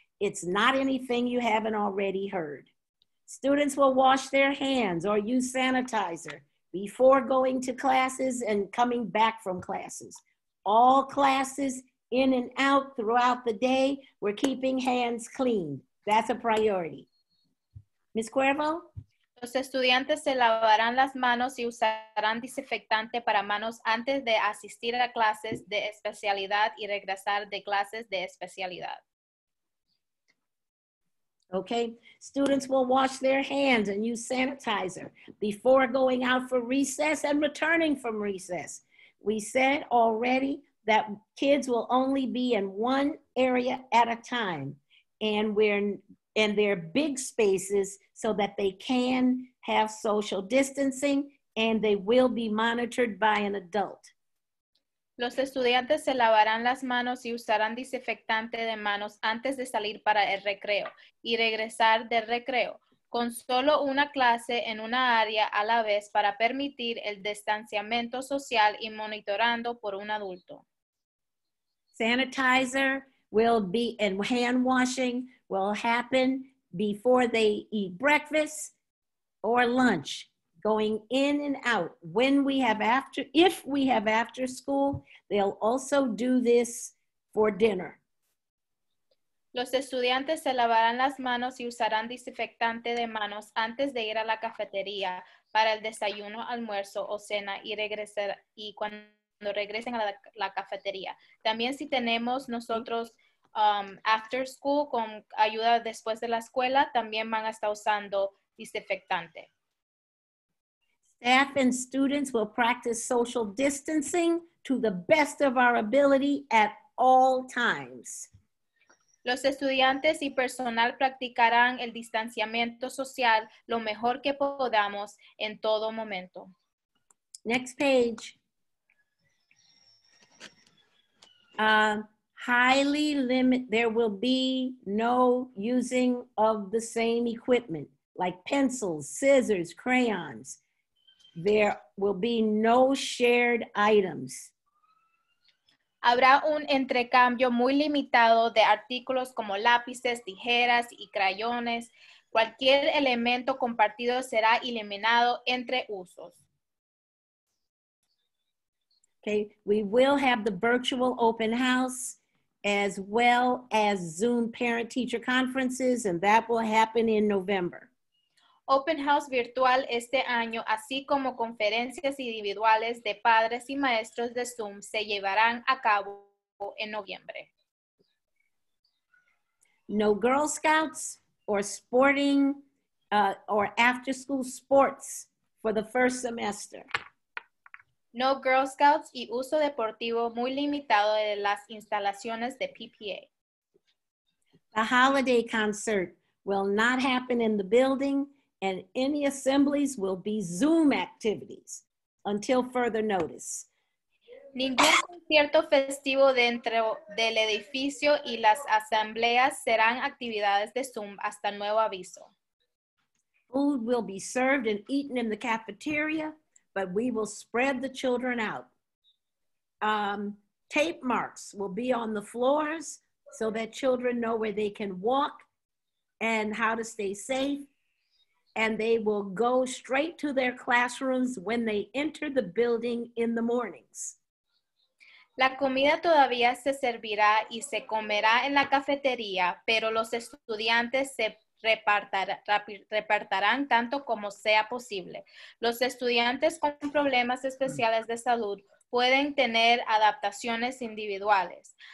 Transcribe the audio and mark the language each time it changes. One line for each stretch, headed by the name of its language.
English: It's not anything you haven't already heard. Students will wash their hands or use sanitizer before going to classes and coming back from classes. All classes in and out throughout the day, we're keeping hands clean. That's a priority. Ms. Cuervo?
Spanish: Los estudiantes se lavarán las manos y usarán desinfectante para manos antes de asistir a clases de especialidad y regresar de clases de especialidad.
English: Okay, students will wash their hands and use sanitizer before going out for recess and returning from recess. We said already that kids will only be in one area at a time, and we're in their big spaces so that they can have social distancing and they will be monitored by an adult.
Spanish: Los estudiantes se lavarán las manos y usarán desinfectante de manos antes de salir para el recreo y regresar del recreo, con solo una clase en una área a la vez para permitir el distanciamiento social y monitorando por un adulto.
English: Sanitizer will be and hand washing will happen before they eat breakfast or lunch. Going in and out. If we have after school, they'll also do this for dinner.
Spanish: Los estudiantes se lavarán las manos y usarán desinfectante de manos antes de ir a la cafetería para el desayuno, almuerzo o cena y cuando regresen a la cafetería. También si tenemos nosotros
English: after school
Spanish: con ayuda después de la escuela, también van a estar usando desinfectante.
English: Staff and students will practice social distancing to the best of our ability at all times.
Spanish: Los estudiantes y personal practicarán el distanciamiento social lo mejor que podamos en todo momento.
English: Next page. There will be no using of the same equipment like pencils, scissors, crayons. There will be no shared items.
Spanish: Habrá un intercambio muy limitado de artículos como lápices, tijeras y crayones. Cualquier elemento compartido será eliminado entre usos.
English: Okay, we will have the virtual open house as well as Zoom parent-teacher conferences, and that will happen in November.
Spanish: Open house virtual este año, así como conferencias individuales de padres y maestros de Zoom, se llevarán a cabo en noviembre.
English: No Girl Scouts or sporting or after school sports for the first semester.
Spanish: No Girl Scouts y uso deportivo muy limitado de las instalaciones de PPA.
English: The holiday concert will not happen in the building. And any assemblies will be Zoom activities until further notice.
Spanish: Ningún concierto festivo dentro del edificio y las asambleas serán actividades de Zoom hasta nuevo aviso.
English: Food will be served and eaten in the cafeteria, but we will spread the children out. Tape marks will be on the floors so that children know where they can walk and how to stay safe. And they will go straight to their classrooms when they enter the building in the mornings.
Spanish: La comida todavía se servirá y se comerá en la cafetería, pero los estudiantes se repartirán tanto como sea posible. Los estudiantes con problemas especiales de salud pueden tener adaptaciones individuales.